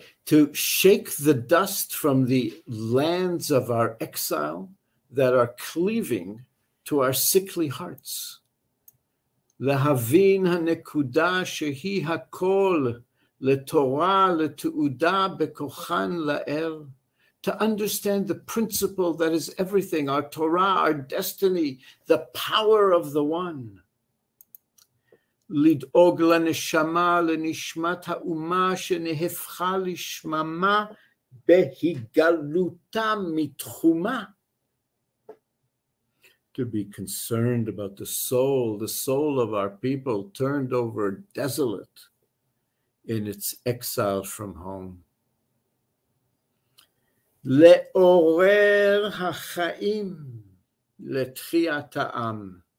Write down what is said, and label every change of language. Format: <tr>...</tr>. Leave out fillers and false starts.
<en>To shake the dust from the lands of our exile that are cleaving to our sickly hearts.</en> <he>להבין הנקודה שהיא הכל לתורה לתעודה בכוחן לאל.</he> <en>To understand the principle that is everything, our Torah, our destiny, the power of the one.</en> <he>לדאוג לנשמה, לנשמת האומה שנהפכה לשממה בהיגלותה מתחומה.</he> <en>To be concerned about the soul of our people turned over desolate in its exile from home.</en> <he>לעורר החיים לתחיית העם.</he>